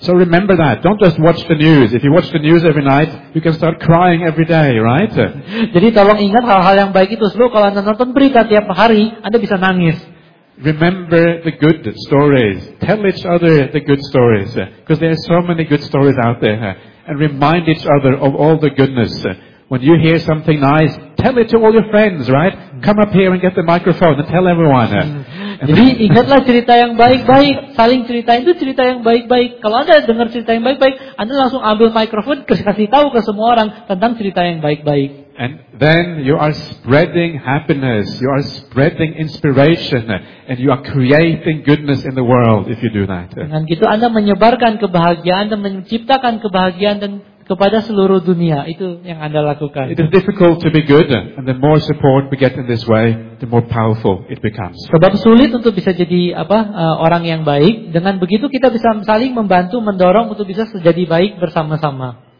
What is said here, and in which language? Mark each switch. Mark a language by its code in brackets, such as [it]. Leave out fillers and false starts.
[en] So remember that. Don't just watch the news. If you watch the news every night, you can start crying every day, right? [id] Jadi tolong ingat hal-hal yang baik itu. Selalu kalau Anda nonton berita tiap hari, Anda bisa nangis. [en] Remember the good stories. Tell each other the good stories, because there are so many good stories out there. And remind each other of all the goodness. When you hear something nice, tell it to all your friends, right? Come up here and get the microphone and tell everyone. [id] Jadi ingatlah cerita yang baik-baik. Saling ceritain itu cerita yang baik-baik. Kalau Anda dengar cerita yang baik-baik, Anda langsung ambil mikrofon, kasih tahu ke semua orang tentang cerita yang baik-baik. [en] And then you are spreading happiness, you are spreading inspiration, and you are creating goodness in the world if you do that. [id] Dengan gitu Anda menyebarkan kebahagiaan, dan menciptakan kebahagiaan dan kepada seluruh dunia. Itu yang Anda lakukan. [en] It is difficult to be good, and the more support we get in this way, the more powerful it becomes. [id] Sebab sulit untuk bisa jadi orang yang baik. Dengan begitu kita bisa saling membantu, mendorong untuk bisa jadi baik bersama-sama.